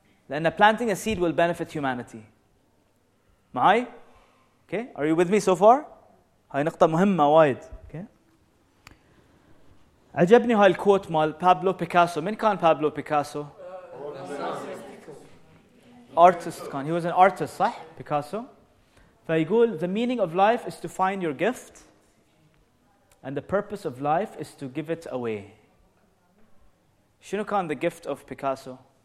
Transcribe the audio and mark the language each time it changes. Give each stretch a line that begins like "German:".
Arabic: لأن
English: planting a seed will benefit humanity.
Arabic: معاي؟
English: okay are you with me so far؟
Arabic: هاي نقطة مهمة وايد. عجبني هاي الكوت مال بابلو بيكاسو. من كان بابلو بيكاسو؟
English: artist
Arabic: كان.
English: He was an artist,
Arabic: صح؟
English: بيكاسو.
Arabic: فيقول
English: the meaning of life is to find your gift and the purpose of life is to give it away.
Arabic: شنو كان
English: the gift of
Arabic: بيكاسو؟